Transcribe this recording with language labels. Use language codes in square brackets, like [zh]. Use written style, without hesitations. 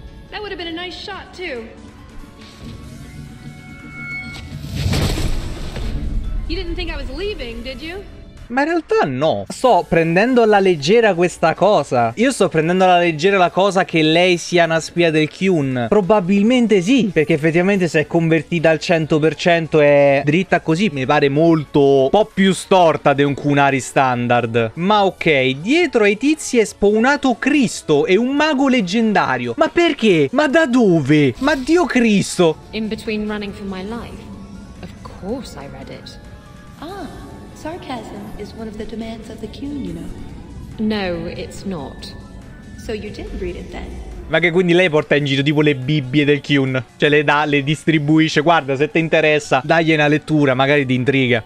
[en] That would have been a nice shot too. You didn't think I was leaving, did you? [it] Ma in realtà no. Sto prendendo alla leggera questa cosa. Io sto prendendo alla leggera la cosa che lei sia una spia del Kyun. Probabilmente sì, perché effettivamente si è convertita al 100%. È dritta così. Mi pare molto un po' più storta di un Kunari standard. Ma ok, dietro ai tizi è spawnato Cristo e un mago leggendario. Ma perché? Ma da dove? Ma Dio Cristo. [en] In between running for my life. Of course I read it. Ah, sarcasm is one of the demands of the Kyun, you know. No, it's not. So you did read it then. [it] Ma che quindi lei porta in giro tipo le bibbie del Kyun? Cioè le dà, le distribuisce. Guarda, se ti interessa, dagli una lettura, magari ti intriga.